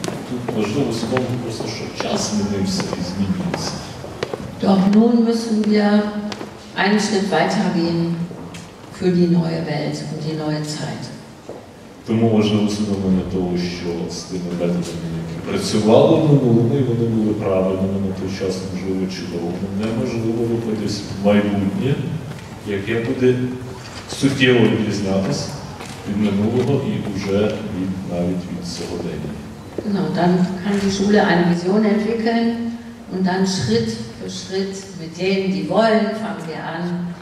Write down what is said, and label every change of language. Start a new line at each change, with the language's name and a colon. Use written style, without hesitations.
Ukrainian: Тут важливо сказати просто, що час змінився і змінився.
German: Doch nun müssen wir einen Schritt weitergehen für die neue Welt und die neue Zeit.
Ukrainian: Тому важливо усвідомлення того, що з тими методами, які працювали в минулому, вони були правильними на той час, можливо, чудово. Неможливо рухатись в майбутнє, яке буде суттєво відрізнятися від минулого і вже від, навіть від сьогодення.
German: Genau, dann kann die Schule eine Vision entwickeln und dann Schritt für Schritt mit denen, die wollen, fangen wir an.